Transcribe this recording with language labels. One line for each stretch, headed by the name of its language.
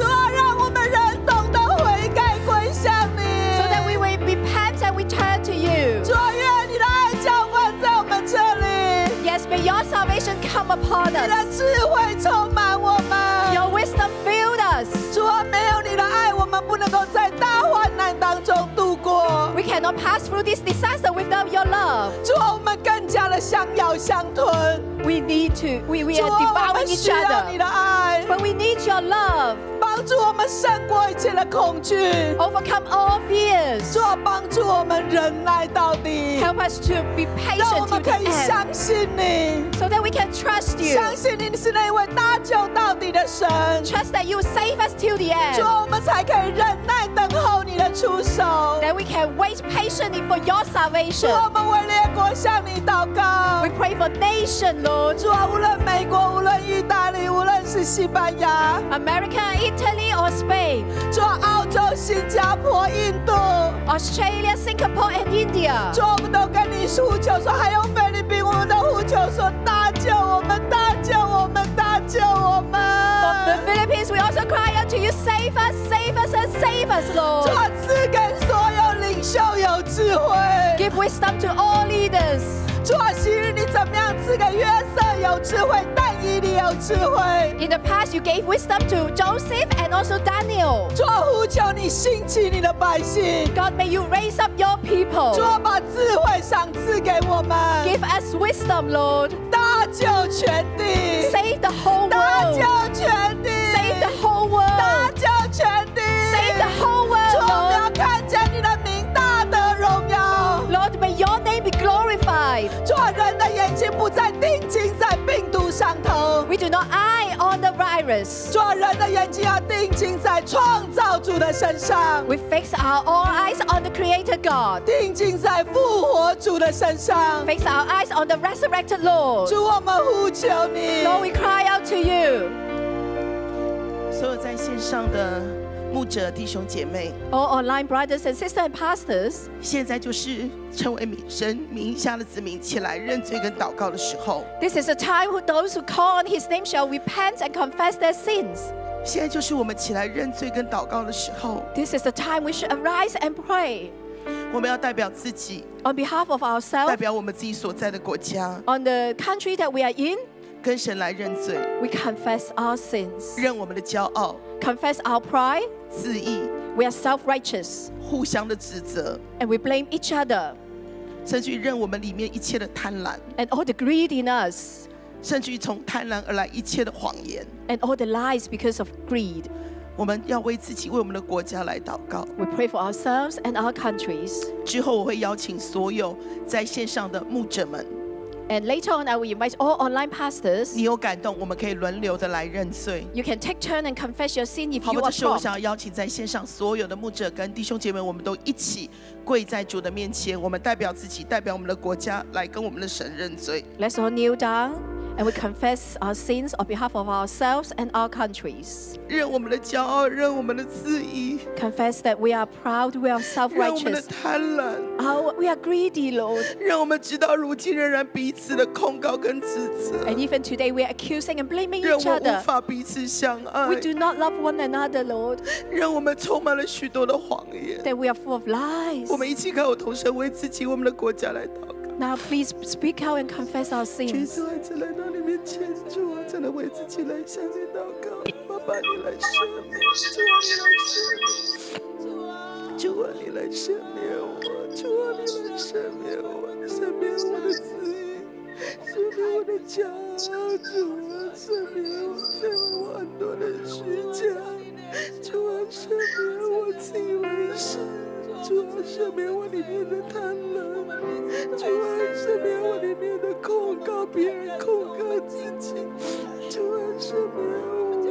Chinese: 主啊，让我们人懂得悔改归向你。
English: So that we will repent and return to you.
Chinese: 主啊，愿你的爱降温在我们这里。
English: Yes, may your salvation come upon us.
Chinese: 你的智慧充满我们。
English: Your wisdom fill us.
Chinese: 主啊，没有你的爱，我们不能够在大患难当中度过。
English: We cannot pass through this disaster without your love.
Chinese: 主啊，我们更加的相咬相吞。
English: We need to. We are devouring each other.
Chinese: 主啊，我们需要你的爱。
English: But we need your love.
Chinese: 帮助我们胜过一切的恐惧。
English: Overcome all fears.
Chinese: 主啊，帮助我们忍耐到底。
English: Help us to be patient to the end.
Chinese: 让我们可以相信你。
English: So that we can trust you.
Chinese: 相信你是那位大救到底的神。
English: Trust that you will save us till the end.
Chinese: 主啊，我们才可以忍耐等候你的出手。
English: That we can wait patiently for your salvation.
Chinese: 主啊，我们为列国向你祷告。
English: We pray for nation, Lord.
Chinese: 主啊，无论美国，无论意大利，无论是西班牙
English: ，America, Italy, or Spain.
Chinese: 主啊，澳洲、新加坡、印度
English: ，Australia, Singapore, and India.
Chinese: 主啊，我们都跟你呼求说，还有菲律宾，我们都呼求说，大救我们，大救我们，大救我们。
English: From the Philippines, we also cry out to you, save us, save us, and save us, Lord.
Chinese: 主啊，赐给所有领袖有智慧。
English: Give wisdom to all leaders.
Chinese: 主啊，昔日你怎么样赐给约瑟有智慧，但以利有智慧
English: ？In the past, you gave wisdom to Joseph and also Daniel.
Chinese: 主啊，呼求你兴起你的百姓。
English: God, may you raise up your people.
Chinese: 主啊，把智慧赏赐给我们。
English: Give us wisdom, Lord.
Chinese: 大救全地。
English: Save the whole world.
Chinese: 大救全地。
English: Save the whole world.
Chinese: 大救全地。
English: Save the whole world.
Chinese: 主啊，我们要看见你的名大得荣耀。
English: Lord, may your name be glorified.
Chinese: 主啊，人的眼睛不再定睛在病毒上头。
English: We do not eye on the virus.
Chinese: 主啊，人的眼睛要定睛在创造主的身上。
English: We fix our all eyes on the Creator God.
Chinese: 定睛在复活主的身上。
English: Fix our eyes on the resurrected Lord.
Chinese: 主，我们呼求你。
English: Lord, we cry out to you.
Chinese: 所有在线上的牧者弟兄姐妹
English: All online brothers and sisters and pastors
Chinese: 现在就是成为神名下的子民起来认罪跟祷告的时候
English: This is a time when those who call on his name shall repent and confess their sins
Chinese: 现在就是我们起来认罪跟祷告的时候
English: This is the time we should arise and pray
Chinese: 我们要代表自己
English: On behalf of ourselves
Chinese: 代表我们自己所在的国家
English: On the country that we are in
Chinese: 跟神来认罪
English: We confess our sins
Chinese: 认我们的骄傲
English: Confess our pride,
Chinese: 自义
English: we are self-righteous,
Chinese: 互相的指责
English: and we blame each other,
Chinese: 甚至于认我们里面一切的贪婪
English: and all the greed in us,
Chinese: 甚至于从贪婪而来一切的谎言
English: and all the lies because of greed,
Chinese: 我们要为自己为我们的国家来祷告
English: we pray for ourselves and our countries,
Chinese: 之后我会邀请所有在线上的牧者们
English: and later on I will invite all online pastors,
Chinese: 你有感动我们可以轮流的来认罪
English: you can take turn and confess your sin if you are wrong
Chinese: 好吧这时候我想要邀请在线上所有的牧者跟弟兄姐妹我们都一起跪在主的面前我们代表自己代表我们的国家来跟我们的神认罪
English: let's all kneel down and we confess our sins on behalf of ourselves and our countries
Chinese: 认我们的骄傲认我们的自义
English: confess that we are proud we are self-righteous
Chinese: 认我们的贪婪
English: we are greedy Lord
Chinese: 让我们直到如今仍然彼此的控告跟指责
English: and even today we are accusing and blaming each other
Chinese: 让我们无法彼此相爱
English: we do not love one another Lord
Chinese: 让我们充满了许多的谎言
English: that we are full of lies
Chinese: 我们一起开口同声为自己我们的国家来祷告
English: Now please speak out and confess our sins.
Chinese: 主啊，再来到你面前，主啊，再来为自己来向你祷告，爸爸，你来赦免，主啊，你来赦免，主啊。主啊，你来赦免我，主啊，你来赦免我，赦免我的自己，赦免我的家，主啊，赦免我，赦免我很多的虚假，主啊，赦免我自以为是，主啊，赦免我里面的贪婪，主啊，赦免我里面的控告别人，控告自己，主啊，赦免我。